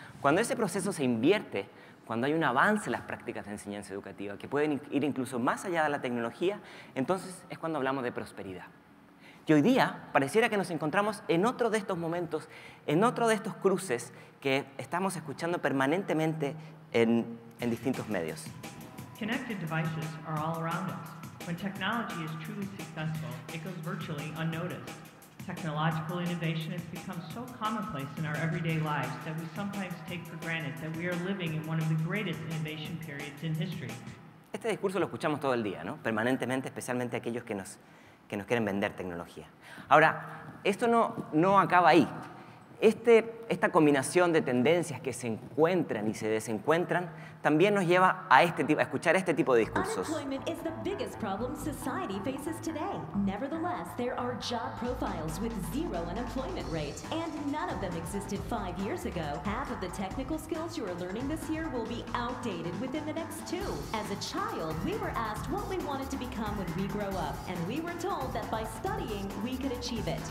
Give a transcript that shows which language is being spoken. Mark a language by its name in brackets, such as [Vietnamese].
[Spanish] Cuando ese proceso se invierte, cuando hay un avance en las prácticas de enseñanza educativa que pueden ir incluso más allá de la tecnología, entonces es cuando hablamos de prosperidad. Y hoy día pareciera que nos encontramos en otro de estos momentos, en otro de estos cruces que estamos escuchando permanentemente en distintos medios. [English] Connected devices are all around us. When technology is truly successful, it goes virtually unnoticed. Technological innovation has become so commonplace in our everyday lives that we sometimes take for granted that we are living in one of the greatest innovation periods in history. [Spanish] Este discurso lo escuchamos todo el día, ¿no? Permanentemente, especialmente aquellos que nos quieren vender tecnología. Ahora, esto no acaba ahí. Esta combinación de tendencias que se encuentran y se desencuentran también nos lleva a escuchar este tipo de discursos. [English] Unemployment is the biggest problem society faces today. Nevertheless, there are job profiles with zero unemployment rate, and none of them existed 5 years ago. Half of the technical skills you are learning this year will be outdated within the next two. As a child, we were asked what we wanted to become when we grow up, and we were told that by studying, we could achieve it.